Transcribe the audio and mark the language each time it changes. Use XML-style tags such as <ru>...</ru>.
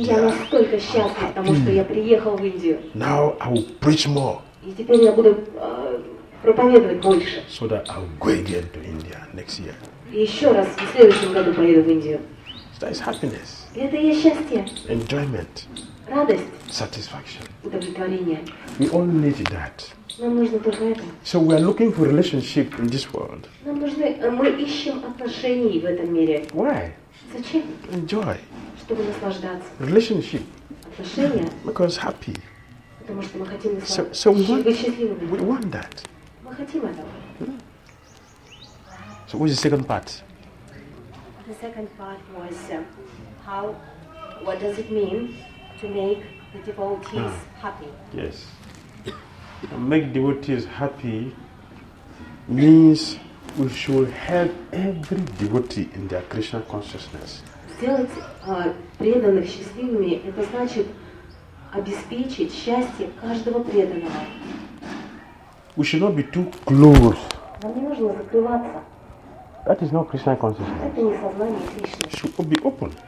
<ru>И я настолько счастлив, потому что я приехал в Индию.</ru> <en>Now I will preach more.</en> <ru>И теперь я буду проповедовать больше.</ru> <en>So that I will go again to India next year.</en> <ru>И еще раз в следующем году поеду в Индию.</ru> <en>So that is happiness.</en> <ru>И это и счастье.</ru> <en>Enjoyment.</en> <ru>Радость.</ru> <en>Satisfaction.</en> <ru>Удовлетворение.</ru> <en>We all need that.</en> <ru>Нам нужно только это.</ru> <en>So we are looking for relationship in this world.</en> <ru>Нам нужны, мы ищем отношений в этом мире.</ru> <en>Why?</en> <ru>Зачем?</ru> <en>Enjoy.</en> <ru>Чтобы наслаждаться.</ru> <en>Relationship.</en> <ru>Отношения.</ru> <en>Because happy.</en> <ru>Потому что мы хотим быть счастливыми.</ru> <en>We want that.</en> <ru>Мы хотим этого.</ru> <en>So what is the second part? The second part was how, what does it mean to make the devotees happy? Yes. Make devotees happy means we should help every devotee in their Krishna consciousness.</en> <ru>Сделать преданных счастливыми – это значит обеспечить счастье каждого преданного.</ru> <en>We should not be too close.</en> <ru>Нам не нужно закрываться.</ru> <en>That is not Krishna consciousness.</en> <ru>Это не сознание Кришны.</ru> <en>We should be open.</en>